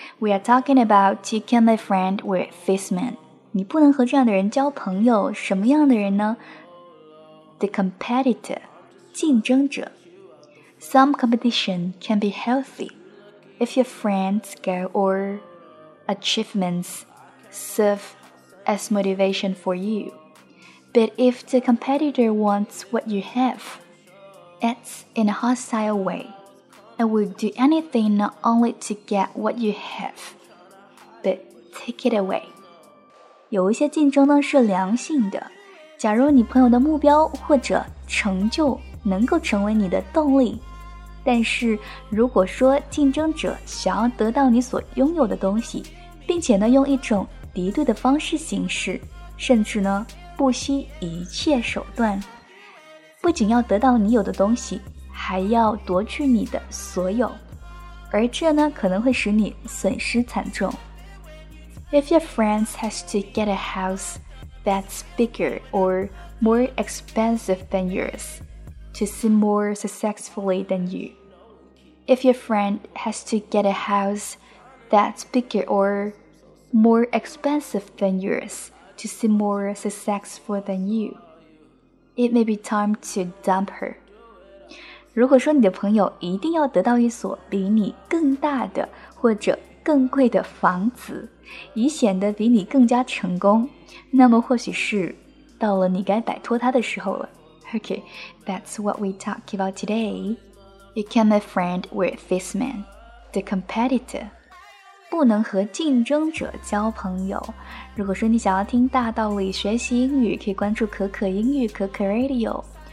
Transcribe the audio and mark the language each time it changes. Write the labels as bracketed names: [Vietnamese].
[English] We are talking about you can't be friend with this man. [Chinese] 你不能和这样的人交朋友，什么样的人呢？ [English] The competitor, 竞争者。 Some competition can be healthy if your friends go or achievements serve as motivation for you. But if the competitor wants what you have, it's in a hostile way. And will do anything not only to get what you have, but take it away. [Chinese] 有一些竞争呢是良性的。假如你朋友的目标或者成就能够成为你的动力，但是如果说竞争者想要得到你所拥有的东西，并且呢用一种敌对的方式行事，甚至呢不惜一切手段，不仅要得到你有的东西。还要夺去你的所有，而这呢可能会使你损失惨重。 [English] If your friends has to get a house that's bigger or more expensive than yours to seem more successfully than you. If your friend has to get a house that's bigger or more expensive than yours to seem more successful than you, it may be time to dump her. [Chinese] 如果说你的朋友一定要得到一所比你更大的或者更贵的房子，以显得比你更加成功，那么或许是到了你该摆脱他的时候了。 [English] Okay, that's what we talk about today. You can't be friend with this man, the competitor. [Chinese] 不能和竞争者交朋友。如果说你想要听大道理学习英语，可以关注可可英语可可 Radio。